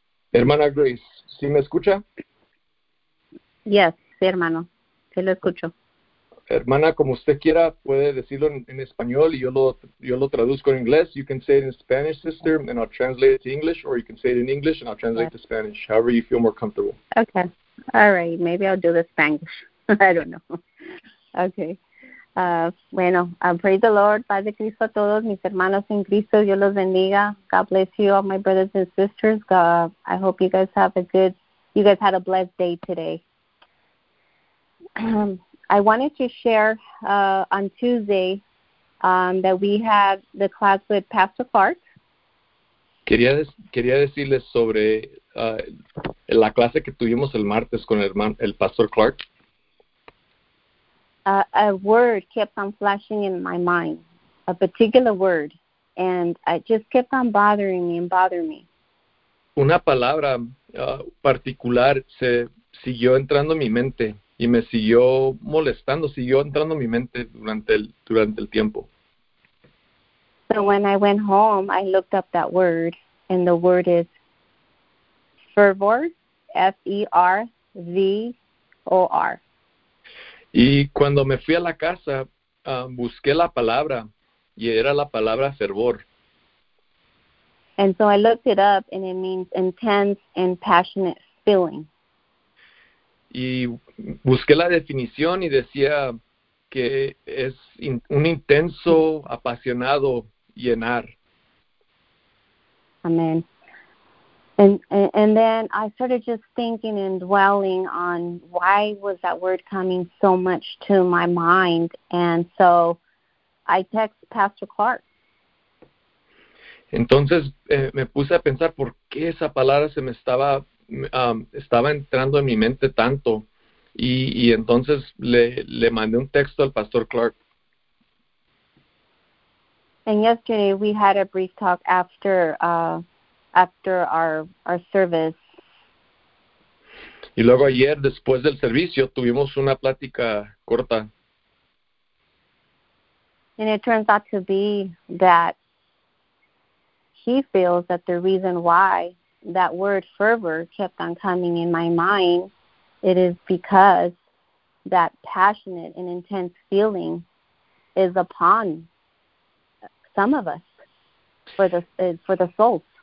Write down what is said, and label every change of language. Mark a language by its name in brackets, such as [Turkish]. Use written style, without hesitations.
[Spanish] Hermana Grace, ¿sí me escucha? Yes, sí, hermano, se lo escucho. Hermana, como usted quiera, puede decirlo en español y yo lo traduzco en inglés. [English] You can say it in Spanish, sister, and I'll translate it to English, or you can say it in English and I'll translate to Spanish, however you feel more comfortable. Okay, all right, maybe I'll do the Spanish. I don't know. [Spanish] Okay, bueno, [English] I praise the Lord, [Spanish] Padre Cristo, a todos mis hermanos en Cristo, Dios los bendiga. [English] God bless you, all my brothers and sisters. God, I hope you guys had a blessed day today. I wanted to share on Tuesday that we had the class with Pastor Clark. [Spanish] Quería decirles sobre la clase que tuvimos el martes con el pastor Clark. [English] A word kept on flashing in my mind, a particular word, and it just kept on bothering me and bothering me. [Spanish] Una palabra particular se siguió entrando en mi mente y me siguió molestando, siguió entrando en mi mente durante el tiempo. [English] So when I went home, I looked up that word, and the word is fervor, FERVOR. [Spanish] Y cuando me fui a la casa, busqué la palabra y era la palabra fervor. [English] And so I looked it up, and it means intense and passionate feeling. [Spanish] Y busqué la definición y decía que es in un intenso, apasionado llenar. [English] Amen. And then I started just thinking and dwelling on why was that word coming so much to my mind. And so I text Pastor Clark. [Spanish] Entonces me puse a pensar por qué esa palabra se me estaba entrando en mi mente tanto y entonces le mandé un texto al pastor Clark. [English] And yesterday we had a brief talk after our service. [Spanish] Y luego ayer, después del servicio, tuvimos una plática corta. [English] And it turns out to be that he feels that the reason why that word fervor kept on coming in my mind, it is because that passionate and intense feeling is upon some of us for the souls.